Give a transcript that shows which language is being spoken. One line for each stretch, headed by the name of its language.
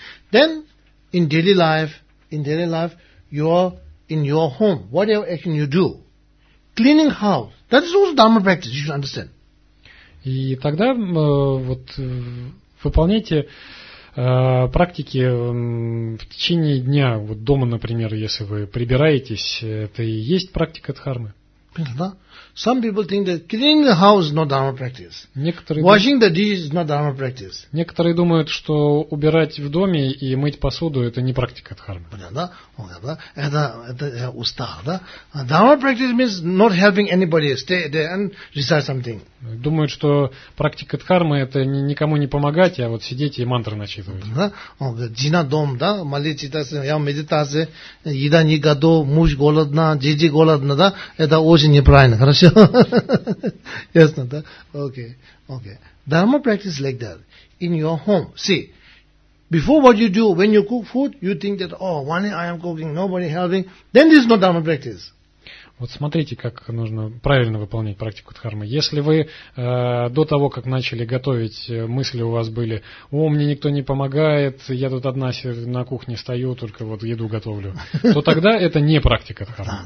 English: Then, in daily life, you are in your home. Whatever can you do? Cleaning house. That is also Dharma practice, you should understand.
Russian: И тогда вот, выполняйте практики в течение дня. Вот дома, например, если вы прибираетесь, это и есть практика дхармы. Да.
English: Some people think that cleaning the house is not dharma practice.
Russian: Некоторые
English: washing the dishes is not dharma practice.
Russian: Некоторые думают, что убирать в доме и мыть посуду это не практика дхармы. Понятно, да? Это я устал, да?
English: Dharma practice means not helping anybody stay there and recite something.
Russian: Думают, что практика дхармы это никому не помогать, а вот сидеть и мантры начитывать. Да? Он говорит, Джина дом, да? Молить читаться, я в медитации, еда не готов, муж голодна, дети голодны, да? Это очень неправильно. Хорошо? Ясно, да? Окей. Окей.
English: Dharma practice like that. In your home. See, before what you do, when you cook food, you think that, oh, one I am cooking, nobody helping. Then this is not dharma practice.
Russian: Вот смотрите, как нужно правильно выполнять практику дхармы. Если вы до того, как начали готовить, мысли у вас были, о, мне никто не помогает, я тут одна на кухне стою, только вот еду готовлю, то тогда это не практика дхармы.